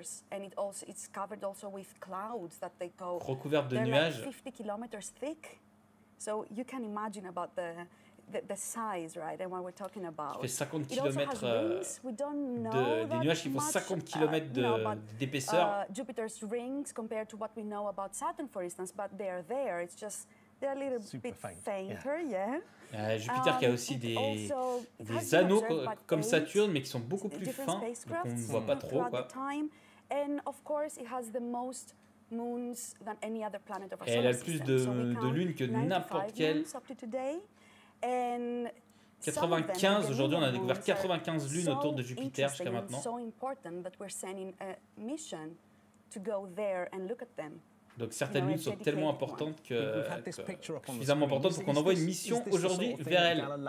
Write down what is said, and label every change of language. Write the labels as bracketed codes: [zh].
[en] And it also it's covered also with clouds that they go. [fr] Recouverte de nuages. [en] 50 kilometers thick. So you can imagine about the the size, right, and what we're talking about. [fr] Qui fait 50 kilomètres des nuages qui font 50 kilomètres d'épaisseur. [en] Jupiter's rings compared to what we know about Saturn, for instance, but they are there. It's just they're a little bit fainter, yeah. [fr] Jupiter qui a aussi des anneaux comme Saturne, mais qui sont beaucoup plus fins, donc on ne voit pas trop, quoi. [en] And of course, it has the most moons than any other planet of our solar system. [fr] Elle a plus de lunes que n'importe quelle. 95, aujourd'hui on a découvert 95 lunes autour de Jupiter jusqu'à maintenant. Donc certaines lunes sont tellement importantes que suffisamment importantes pour qu'on envoie une mission aujourd'hui vers elles.